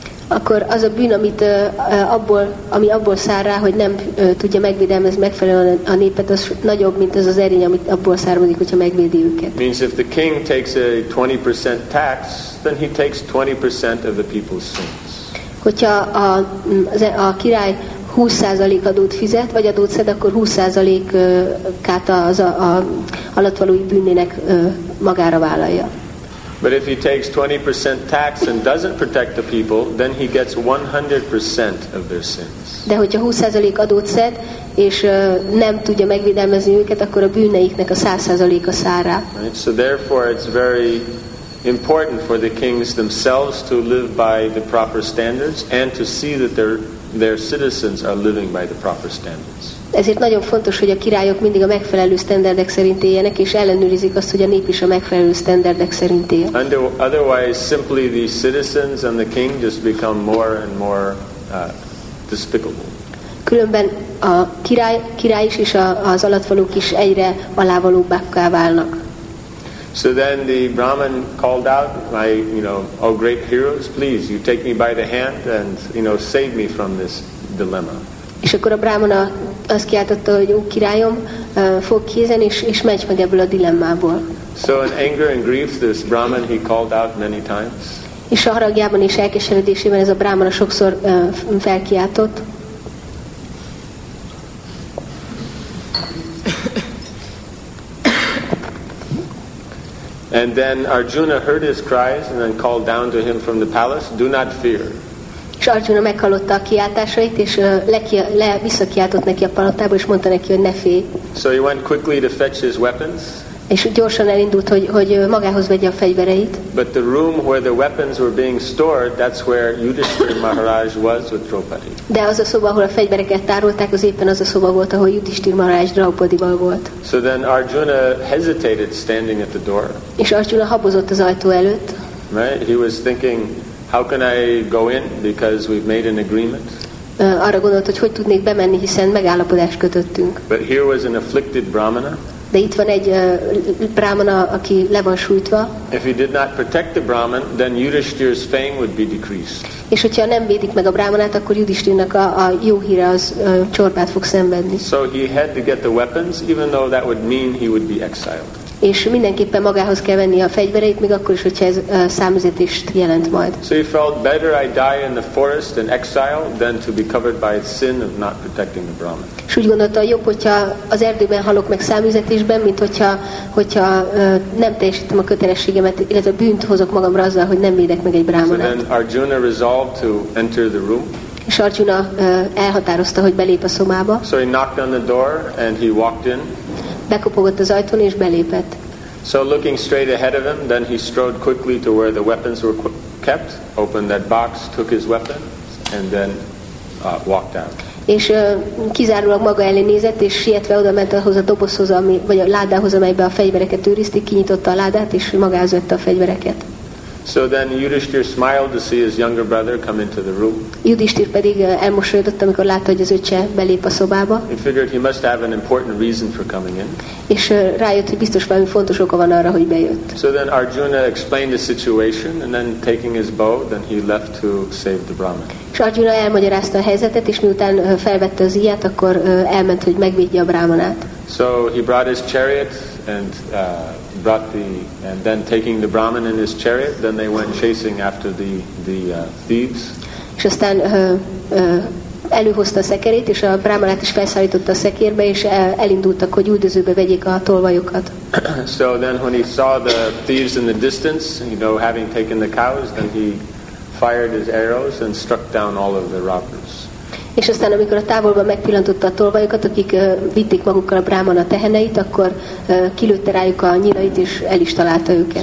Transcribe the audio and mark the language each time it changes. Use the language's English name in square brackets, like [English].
[Hungarian] Akkor az a bűn, amit abból, ami abból szár rá, hogy nem tudja megvédelmezni megfelelően a népet, az nagyobb, mint az az erény, amit abból származik, hogyha megvédi őket. [English] Means if the king takes a 20% tax, then he takes 20% of the people's sins. [Hungarian] Hogyha a király 20% adót fizet, vagy adót szed, akkor 20%-át az a alattvalói bűnének magára vállalja. [English] But if he takes 20% tax and doesn't protect the people, then he gets 100% of their sins. [Hungarian] De hogyha 20% adót szed, és nem tudja megvédelmezni őket, akkor a bűneiknek a 100%-a szár rá. [English] So therefore it's very important for the kings themselves to live by the proper standards and to see that their citizens are living by the proper standards. [Hungarian] Ezért nagyon fontos, hogy a királyok mindig a megfelelő standardek szerint éljenek, és ellenőrizik azt, hogy a nép is a megfelelő standardek szerint él. [English] Otherwise, simply the citizens and the king just become more and more despicable. [Hungarian] Különben a király is és az alattvalók is egyre alávalóbbá válnak. [English] So then the Brahmin called out, my, you know, oh great heroes, please, you take me by the hand and, you know, save me from this dilemma. [Hungarian] És akkor a brámana azt kiáltotta, hogy ó, királyom, fog kézen, és megy meg ebből a dilemmából. [English] So in anger and grief, this Brahman, he called out many times. [Hungarian] És a haragjában és elkeseredésében ez a brámana sokszor felkiáltott. [English] And then Arjuna heard his cries and then called down to him from the palace, "Do not fear." [Hungarian] És Arjuna meghallotta a kiáltásait, és visszakiáltott neki a palotába, és mondta neki, hogy ne félj. [English] So he went quickly to fetch his weapons. [Hungarian] És gyorsan elindult, hogy magához vegye a fegyvereit. [English] But the room where the weapons were being stored, that's where Yudhishthira Maharaj was with Draupadi. [Hungarian] De az a szoba, ahol a fegyvereket tárolták, az éppen az a szoba volt, ahol Yudhishthira Maharaj Draupadival volt. [English] So then Arjuna hesitated standing at the door. [Hungarian] És Arjuna habozott az ajtó előtt. [English] Right? He was thinking, how can I go in because we've made an agreement? [Hungarian] Arra gondolt, hogy tudnék bemenni, hiszen megállapodást kötöttünk. [English] But here was an afflicted brahmana. [Hungarian] De itt van egy brámana, aki le van sújtva. [English] If he did not protect the brahman, then Yudhishthira's fame would be decreased. [Hungarian] És hogyha nem védik meg a brámanát, akkor Yudhishthirának a jó híre az csorbát fog szenvedni. [English] So he had to get the weapons, even though that would mean he would be exiled. [Hungarian] És mindenképpen magához kell venni a fegyvereit, még akkor is, hogyha ez számüzetést jelent majd. [English] So he felt better I die in the forest in exile than to be covered by its sin of not protecting the brahman. [Hungarian] És úgy gondolta, jobb, hogyha az erdőben halok meg számüzetésben, mint hogyha nem teljesítem a kötelességemet, illetve bűnt hozok magamra azzal, hogy nem védek meg egy brámanát. [English] So then Arjuna resolved to enter the room. [Hungarian] És Arjuna elhatározta, hogy belép a szobába. [English] So he knocked on the door and he walked in. [Hungarian] Bekopogott az ajtón és belépett. [English] So looking straight ahead of him, then he strode quickly to where the weapons were kept, opened that box, took his weapons, and then walked out. [Hungarian] És kizárólag maga elé nézett, és sietve oda ment ahhoz a dobozhoz, vagy a ládához, amelybe a fegyvereket őrizték, kinyitotta a ládát, és magához vette a fegyvereket. [English] So then Yudhishthira smiled to see his younger brother come into the room. [Hungarian] Yudhishthira pedig elmosolyodott, amikor látta, hogy az öccse belép a szobába. [English] He figured he must have an important reason for coming in. [Hungarian] És rájött, hogy biztos valami fontos oka van arra, hogy bejött. [English] So then Arjuna explained the situation and then taking his bow, then he left to save the brahman. [Hungarian] És Arjuna elmagyarázta a helyzetet, és miután felvette az íjat, akkor elment, hogy megvédje a brámanát. [English] So he brought his chariot and brought the and then taking the brahman in his chariot, then they went chasing after the thieves. [Hungarian] És aztán előhozta a szekerét, és a brámanát is felszállította a szekérbe, és elindultak, hogy üldözőbe vegyék a tolvajokat. [English] So then when he saw the thieves in the distance, you know, having taken the cows, then he fired his arrows and struck down all of the robbers. [Hungarian] És aztán, amikor a távolban megpillantotta a tolvajokat, akik vitték magukkal a brámana teheneit, akkor kilőtte rájuk a nyilait, és el is találta őket.